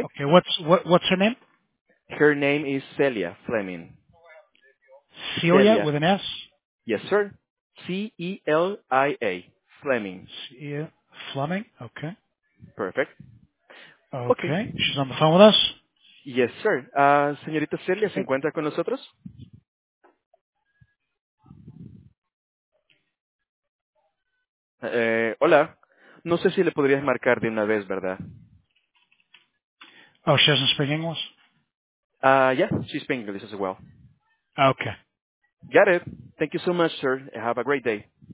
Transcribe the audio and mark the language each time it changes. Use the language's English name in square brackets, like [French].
[English] Okay, what's her name? Her name is Celia Fleming. Celia with an S? Yes, sir. C-E-L-I-A. Fleming. Fleming? Okay. Perfect. Okay. She's on the phone with us? Yes, sir. [Spanish] Señorita Celia, ¿se encuentra con nosotros? Hola. No sé si le podrías marcar de una vez, ¿verdad? [English] Oh, she doesn't speak English? Yeah, she speaks English as well. Okay. Got it. Thank you so much, sir. Have a great day.